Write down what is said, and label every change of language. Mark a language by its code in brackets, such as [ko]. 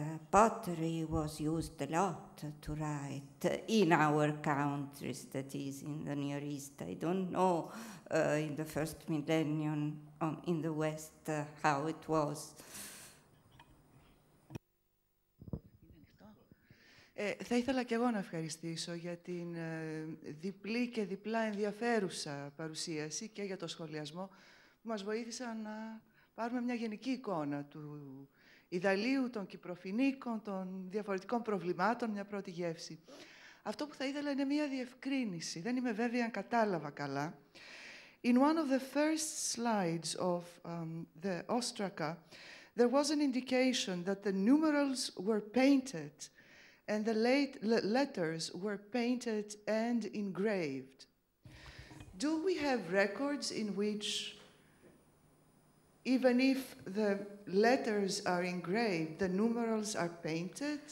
[en] Pottery was used a lot to write in our countries, that is, in the Near East. I don't know in the first millennium in the West how it was. [el] Θα ήθελα και εγώ να ευχαριστήσω για την διπλή και διπλά ενδιαφέρουσα παρουσίαση και για το σχολιασμό που μας βοήθησαν να πάρουμε μια γενική εικόνα του Ιδαλίου, των Κυπροφινίκων, των διαφορετικών προβλημάτων, μια πρώτη γεύση. Αυτό που θα ήθελα είναι μια διευκρίνηση. Δεν είμαι βέβαια αν κατάλαβα καλά. [en] In one of the first slides of the Ostraca, there was an indication that the numerals were painted and the late letters were painted and engraved. Do we have records in which, even if the letters are engraved, the numerals are painted?